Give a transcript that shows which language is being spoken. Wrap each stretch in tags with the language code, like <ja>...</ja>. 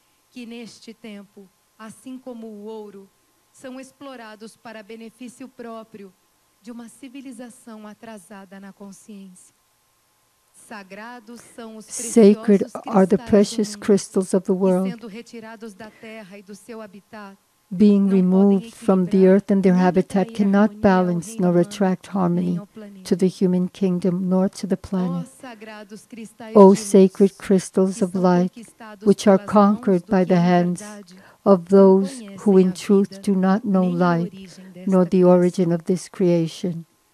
<pt>Que neste tempo, assim como o ouro, são explorados para benefício próprio de uma civilização atrasada na consciência. Sagrados são os</pt> <en>Sacred are the precious crystals of the world,</en> <pt>sendo retirados da terra e do seu habitat,</pt> <en>being removed from the earth and their habitat, cannot balance nor attract harmony to the human kingdom nor to the planet. O sacred crystals of light, which are conquered by the hands of those who in truth do not know light nor the origin of this creation.</en>